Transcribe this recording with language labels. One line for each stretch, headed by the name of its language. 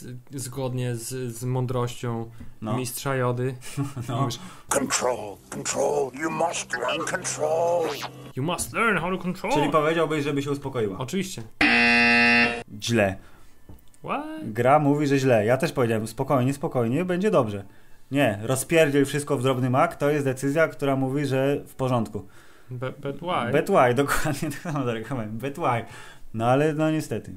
Polish: Zgodnie z mądrością mistrza Jody. No.
English: Control, you must learn control. You must learn how to control.
Polish: Czyli powiedziałbyś, żeby się uspokoiła. Oczywiście. Źle.
English: What?
Polish: Gra mówi, że źle. Ja też powiedziałem, spokojnie, będzie dobrze. Nie, rozpierdziel wszystko w drobny mak. To jest decyzja, która mówi, że w porządku.
English: But why?
Polish: Dokładnie tak samo zarekomendowałem.
English: But why?
Polish: No ale no niestety.